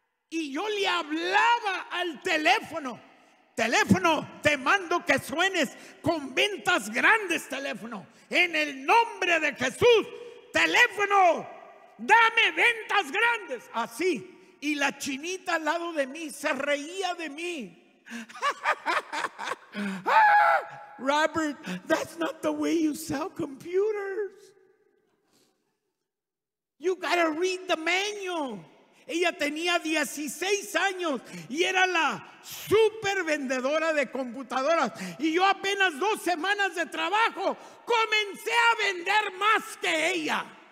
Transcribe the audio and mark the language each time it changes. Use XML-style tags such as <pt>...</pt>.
<es>Y yo le hablaba al teléfono. Teléfono, te mando que suenes con ventas grandes, teléfono. En el nombre de Jesús, teléfono, dame ventas grandes. Así. Y la chinita al lado de mí se reía de mí.</es> <en>Robert, that's not the way you sell computers. You gotta read the manual.</en> <es>Ella tenía 16 años y era la super vendedora de computadoras. Y yo apenas 2 semanas de trabajo comencé a vender más que ella.</es>